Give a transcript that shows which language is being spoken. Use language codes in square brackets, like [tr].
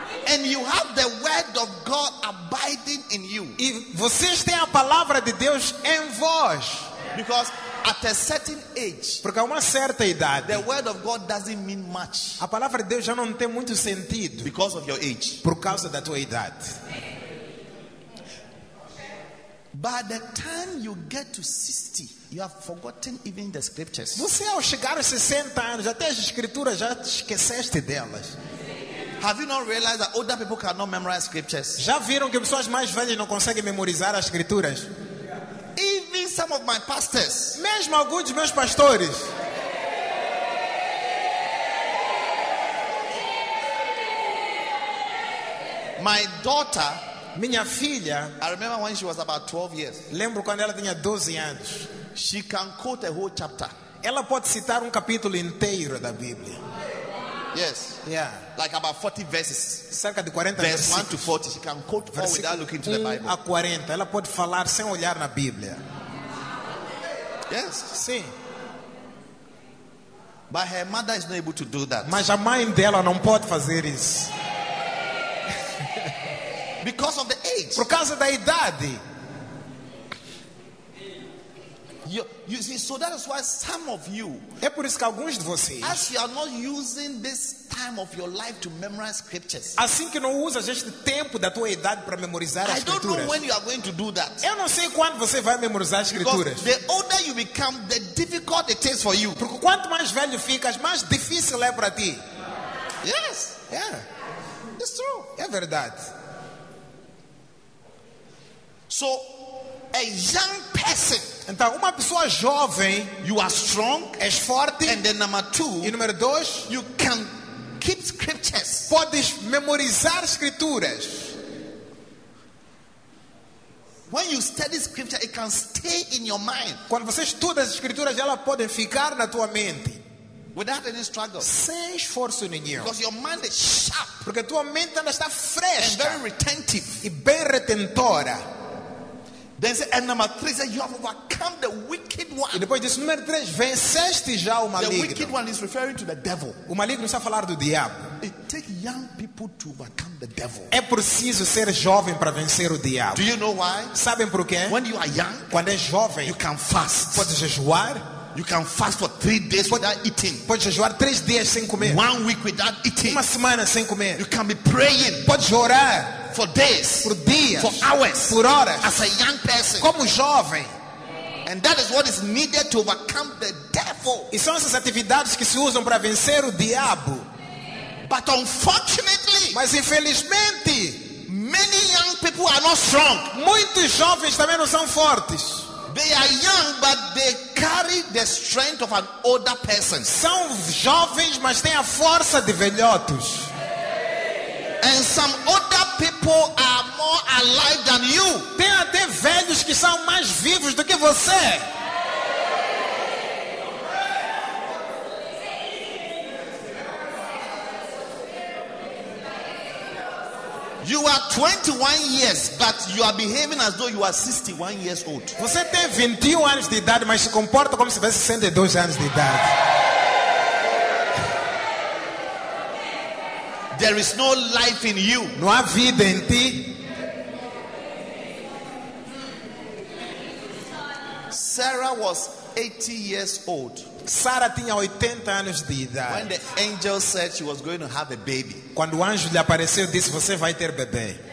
[en] And you have the word of God abiding in you. [pt] E vocês têm a palavra de Deus em vós. [en] Because at a certain age, [pt] porque a uma certa idade, [en] the word of God doesn't mean much. [pt] A palavra de Deus já não tem muito sentido. [en] Because of your age, [pt] por causa da tua idade. [en] By the time you get to 60, you have forgotten even the scriptures. [pt] Você ao chegar aos 60 anos, até as escrituras já te esqueceste delas. [en] Have you not realized that older people cannot memorize scriptures? [pt] Já viram que pessoas mais velhas não conseguem memorizar as escrituras? [en] Even some of my pastors. [pt] Mesmo alguns dos meus pastores. [en] My daughter, [pt] minha filha, [en] I remember when she was about 12 years. [pt] Lembro quando ela tinha 12 anos. [en] She can quote a whole chapter. [pt] Ela pode citar capítulo inteiro da Bíblia. [en] Yes. Yeah. Like about 40 verses. [pt] Cerca de 40 [en] verses. Verse 1 to 40. She can quote all without looking to the Bible. [pt] A 40. Ela pode falar sem olhar na Bíblia. [en] Yes. [pt] Sim. [en] But her mother is not able to do that. [pt] Mas a mãe dela não pode fazer isso. [en] Because of the age. [pt] Por causa da idade. [en] You see, so that is why some of you, [pt] é por isso que alguns de vocês, [en] as you are not using this time of your life to memorize scriptures, [pt] assim que não usas este tempo da tua idade para memorizar as escrituras. [en] I don't know when you are going to do that. [pt] Eu não sei quando você vai memorizar as escrituras. [en] The older you become, the difficult it is for you. [pt] Porque quanto mais velho ficas, mais difícil é para ti. [en] Yes, yeah, it's true. [pt] É verdade. [en] So, a young person. [pt] Então, uma pessoa jovem, [en] you are strong, [pt] és forte, [en] and then number two, [pt] e número dois, [en] you can keep scriptures, [pt] podes memorizar escrituras. [en] When you study scripture, it can stay in your mind. [pt] Quando você estuda as escrituras, ela pode ficar na tua mente. [en] Without any struggle. [pt] Sem esforço nenhum. [en] Because your mind is sharp. [pt] Porque tua mente ainda está fresca. [en] And very retentive. [pt] E bem retentora. [en] Then say, and number three, say, you have overcome the wicked one. [pt] E depois disse, número três, venceste já o maligno. [en] The wicked one is referring to the devil. [pt] O maligno está a falar do diabo. [en] It takes young people to overcome the devil. [pt] É preciso ser jovem para vencer o diabo. [en] Do you know why? [pt] Sabem por quê? [en] When you are young, [pt] quando é jovem, [en] you can fast. [pt] Pode jejuar. [en] You can fast for 3 days without eating. [pt] Pode jejuar 3 dias sem comer. [en] 1 week without eating. [pt] Uma semana sem comer. [en] You can be praying. [pt] Pode orar. [en] For days. [pt] Por dias. [en] For hours. [pt] Por horas. [en] As a young person. [pt] Como jovem. [en] And that is what is needed to overcome the devil. [pt] E são essas atividades que se usam para vencer o diabo. [en] But unfortunately. [pt] Mas infelizmente. [en] Many young people are not strong. [pt] Muitos jovens também não são fortes. [en] They are young, but they carry the strength of an older person. [pt] São jovens, mas têm a força de velhotos. [en] And some older people are more alive than you. [pt] Tem até velhos que são mais vivos do que você. [en] You are 21 years, but you are behaving as though you are 61 years old. [pt] Você tem 21 anos de idade, mas se comporta como se tivesse 62 anos de idade. [en] There is no life in you. [pt] Não há vida em ti. [en] Sarah was 80 years old. [pt] Sara tinha 80 anos de idade. [en] When the angel said she was going to have a baby. [pt] Quando o anjo lhe apareceu, disse, você vai ter bebê.